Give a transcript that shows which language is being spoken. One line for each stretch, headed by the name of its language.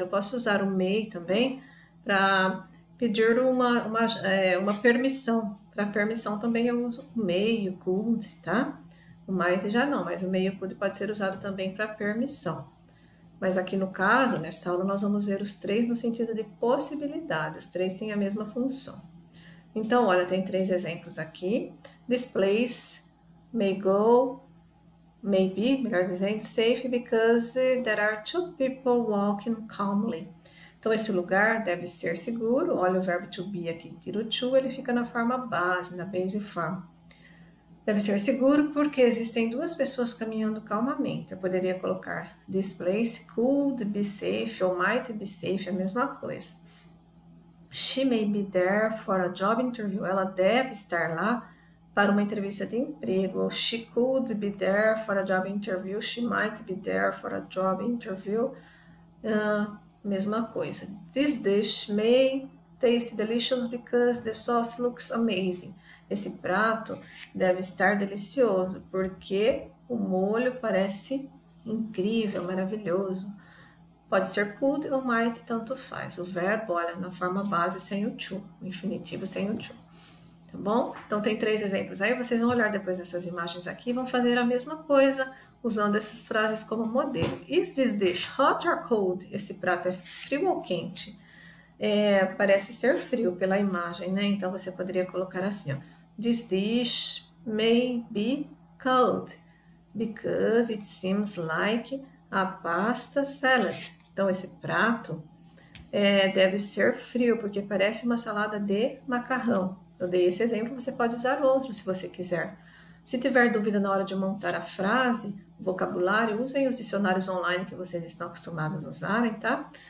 Portuguese: Eu posso usar o may também para pedir uma permissão. Para permissão também eu uso o may, o could, tá? O might já não, mas o may e o could pode ser usado também para permissão. Mas aqui no caso, nessa aula, nós vamos ver os três no sentido de possibilidade. Os três têm a mesma função. Então, olha, tem três exemplos aqui.
English: This place may go, may be,
Portuguese: melhor dizendo,
English: safe because there are two people walking calmly.
Portuguese: Então, esse lugar deve ser seguro. Olha o verbo to be aqui, tira o to, ele fica na forma base, na base form. Deve ser seguro porque existem duas pessoas caminhando calmamente. Eu poderia colocar
English: this place could be safe
Portuguese: ou
English: might be safe,
Portuguese: a mesma coisa.
English: She may be there for a job interview.
Portuguese: Ela deve estar lá para uma entrevista de emprego.
English: She could be there for a job interview. She might be there for a job interview.
Portuguese: Mesma coisa.
English: This dish may taste delicious because the sauce looks amazing.
Portuguese: Esse prato deve estar delicioso porque o molho parece incrível, maravilhoso. Pode ser could ou might, tanto faz. O verbo, olha, na forma base sem o to, o infinitivo sem o to. Tá bom? Então tem três exemplos aí. Vocês vão olhar depois essas imagens aqui e vão fazer a mesma coisa usando essas frases como modelo.
English: Is this dish hot or cold?
Portuguese: Esse prato é frio ou quente? Parece ser frio pela imagem, né? Então você poderia colocar assim, ó.
English: This dish may be cold because it seems like a pasta salad.
Portuguese: Então esse prato deve ser frio porque parece uma salada de macarrão. Eu dei esse exemplo, você pode usar outro se você quiser. Se tiver dúvida na hora de montar a frase, vocabulário, usem os dicionários online que vocês estão acostumados a usarem, tá?